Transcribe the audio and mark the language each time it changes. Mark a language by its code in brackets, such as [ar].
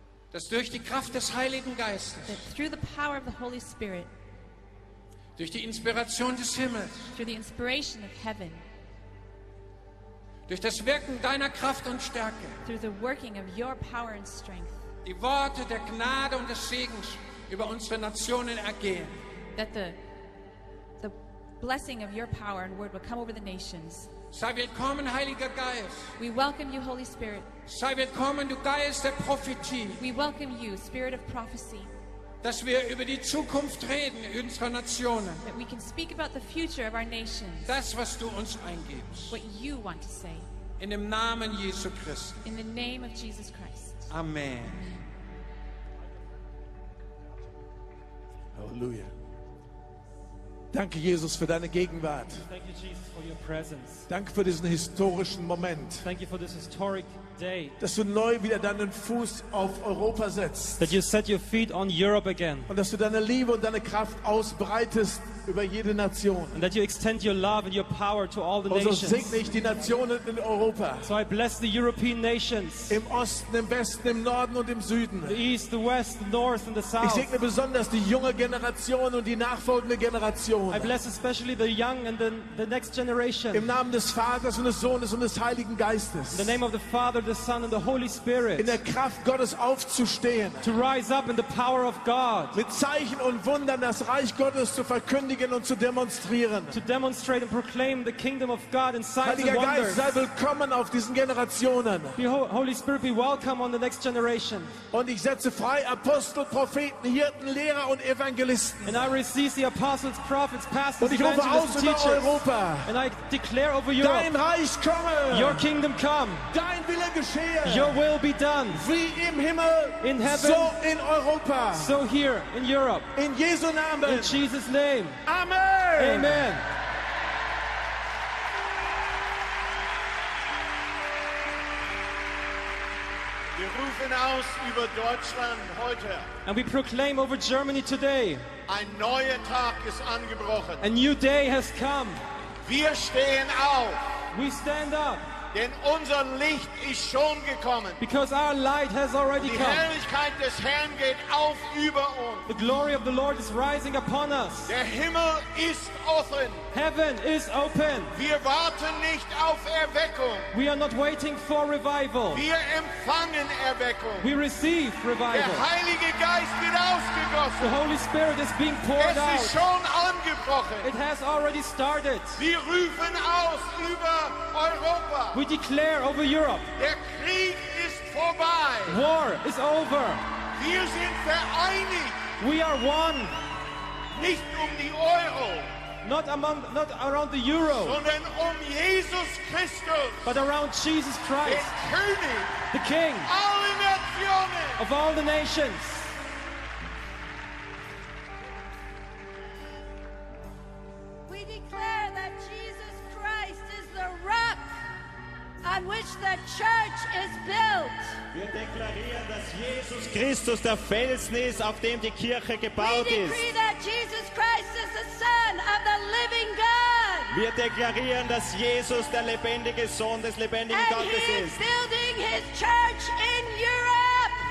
[de] dass durch die Kraft des Heiligen Geistes, [en] that through the power of the Holy Spirit, [de] durch die Inspiration des Himmels, [en] through the inspiration of heaven, [de] Durch das Wirken deiner Kraft und Stärke. [en] Through the working of your power and strength. [de] Die Worte der Gnade und des Segens über unsere Nationen ergehen. [en] That the blessing of your power and word will come over the nations. [de] Sei willkommen, Heiliger Geist. [en] We welcome you, Holy Spirit. [de] Sei willkommen, du Geist der Prophetie. [en] We welcome you, Spirit of Prophecy. [de] Dass wir über die Zukunft reden unserer Nationen. [en] That we can speak about the future of our nations. [de] Das, was du uns eingibst. [en] What you want to say. [de] In dem Namen Jesu Christi. In the name of Jesus Christ. Amen. Halleluja. Danke, Jesus, für deine Gegenwart. [en] Thank you, Jesus, for your presence. [de] Danke für diesen historischen Moment. [en] Thank you for this historic day. [de] Dass du neu wieder deinen Fuß auf Europa setzt. [en] That you set your feet on Europe again. [de] Und dass du deine Liebe und deine Kraft ausbreitest über jede Nation. [en] And that you extend your love and your power to all the nations. [de] Und so segne ich die Nationen in Europa. [en] So I bless the European nations. [de] Im Osten, im Westen, im Norden und im Süden. [en] The East, the West, the North and the South. [de] Ich segne besonders die junge Generation und die nachfolgende Generation. [en] I bless especially the young and the next generation. [de] Im Namen des Vaters und des Sohnes und des Heiligen Geistes. [en] In the name of the Father, the Son and the Holy Spirit. [de] In der Kraft Gottes aufzustehen. [en] To rise up in the power of God. [de] Mit Zeichen und Wundern das Reich Gottes zu verkündigen. Und zu demonstrieren. [en] To demonstrate and proclaim the kingdom of God in signs [de] Heiliger [en] and wonders. [de] Heiliger Geist, sei willkommen auf diesen Generationen. [en] Holy Spirit, be welcome on the next generation. [de] Und ich setze frei Apostel, Propheten, Hirten, Lehrer und Evangelisten. [en] And I receive the apostles, prophets, pastors, [de] und ich rufe aus über Europa. [en] And I declare over Europe. [de] Dein Reich komme. [en] Your kingdom come. [de] Dein Wille geschehe. [en] Your will be done. [de] Wie im Himmel, [en] in heaven, [de] so in Europa. [en] So here in Europe. [de] In Jesu Namen. [en] In Jesus' name. Amen. Amen. [de] Wir rufen aus über Deutschland heute. [en] And we proclaim over Germany today. [de] Ein neuer Tag ist angebrochen. [en] A new day has come. [de] Wir stehen auf. [en] We stand up. [de] Denn unser Licht ist schon gekommen. [en] Because our light has already [de] die [en] come. [de] Die Herrlichkeit des Herrn geht auf über uns. [en] The glory of the Lord is rising upon us. [de] Der Himmel ist offen. [en] Heaven is open. [de] Wir warten nicht auf Erweckung. [en] We are not waiting for revival. [de] Wir empfangen Erweckung. [en] We receive revival. [de] Der Heilige Geist wird ausgegossen. [en] The Holy Spirit is being poured out. [de] Es ist schon angebrochen. [en] It has already started. [de] Wir rufen aus über Europa. [en] We declare over Europe. [de] Der Krieg ist vorbei. [en] War is over. [de] Wir sind vereinigt. [en] We are one. [de] Nicht die Euro. [en] Not around the Euro. [de] Sondern Jesus Christus. [en] But around Jesus Christ. [de] Der König. [en] The King. [de] Alle Nationen. [en] Of all the nations. We declare that Jesus Christ is the rock on which the church is built. [de] Wir deklarieren, dass Jesus Christus der Felsen ist, auf dem die Kirche gebaut ist. [en] We decree that Jesus Christ is the Son of the living God. [de] Wir deklarieren, dass Jesus der lebendige Sohn des lebendigen Gottes ist. [en] And he is building his church in Europe.